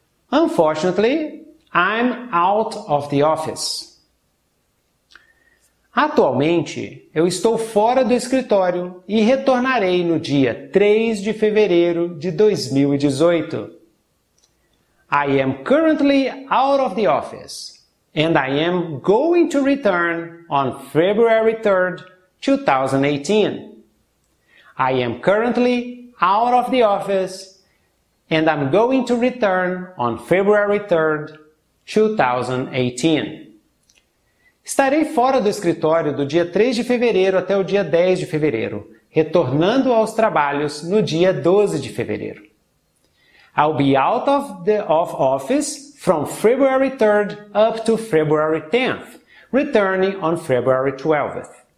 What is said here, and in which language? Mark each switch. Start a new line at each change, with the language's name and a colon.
English: Unfortunately, I'm out of the office.
Portuguese: Atualmente, eu estou fora do escritório e retornarei no dia 3 de fevereiro de 2018.
English: I am currently out of the office and I am going to return on February 3rd, 2018. I am currently out of the office and I'm going to return on February 3rd, 2018.
Portuguese: Estarei fora do escritório do dia 3 de fevereiro até o dia 10 de fevereiro, retornando aos trabalhos no dia 12 de fevereiro.
English: I'll be out of the office from February 3rd up to February 10th, returning on February 12th.